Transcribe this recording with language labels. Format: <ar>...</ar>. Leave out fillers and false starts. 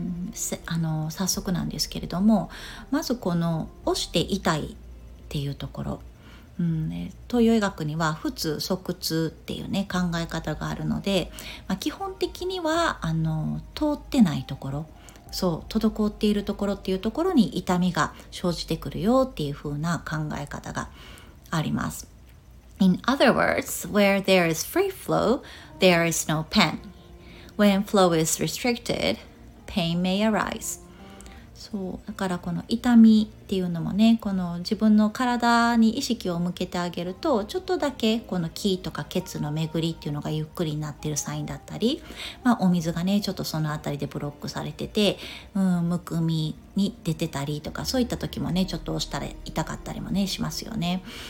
<ja>早速なんですけれども、まずこの押して痛いっていうところ、東洋医学には普通側痛っていうね、考え方があるので、基本的には通ってないところ、そう、滞っているところっていうところに痛みが生じてくるよっていう風な考え方があります。</ja> <en>In other words, where there is free flow, there is no pain. When flow is restricted, pain may arise.</en> <ja>そう、だからこの痛みっていうのもね、この自分の体に意識を向けてあげると、ちょっとだけこの気とか血の巡りっていうのがゆっくりになってるサインだったり、まあ、お水がね、ちょっとそのあたりでブロックされてて、むくみに出てたりとか、そういった時もね、ちょっと押したら痛かったりもね、しますよね。</ja>